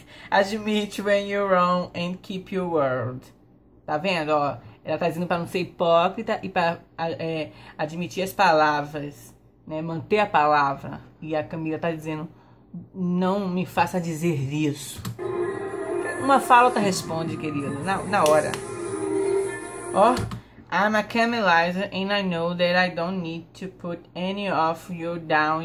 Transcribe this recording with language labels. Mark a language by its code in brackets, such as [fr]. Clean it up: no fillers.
[en] Admit when you're wrong and keep your word. [pt] Tá vendo, ó? Ela tá dizendo pra não ser hipócrita e pra admitir as palavras, né? Manter a palavra. E a Camila tá dizendo, não me faça dizer isso. Uma falta responde, querida, na hora. [en] Ó, oh, I'm a Camelizer and I know that I don't need to put any of you down.